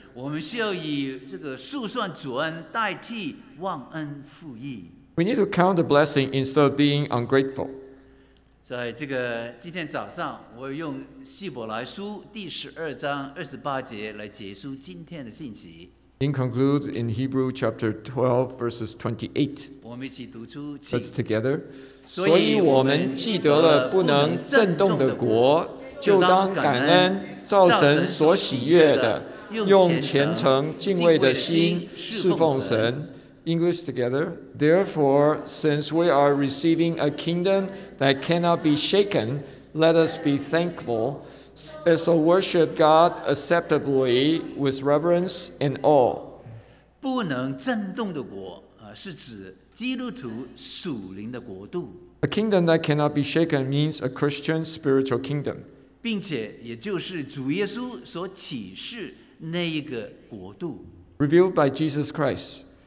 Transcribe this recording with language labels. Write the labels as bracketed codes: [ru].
[zh] 我们需要以这个述算主恩代替忘恩负义。 [en] We need to count the blessing instead of being ungrateful. [zh] 在这个今天早上，我用希伯来书第十二章二十八节来结束今天的信息。 [en] In conclude, in Hebrew chapter 12, verses 28. [zh] 我们一起读出。 [en] Let's together. [zh] 所以我们既得了不能震动的国。就当感恩造神所喜悦的，用虔诚敬畏的心侍奉神。 [en] English together. Therefore, since we are receiving a kingdom that cannot be shaken, let us be thankful, so worship God acceptably with reverence and awe. [zh] 不能震动的国，是指基督徒属灵的国度。 [en] A kingdom that cannot be shaken means a Christian spiritual kingdom. [zh] 并且也就是主耶稣所启示那一个国度。 [en] Revealed by Jesus Christ.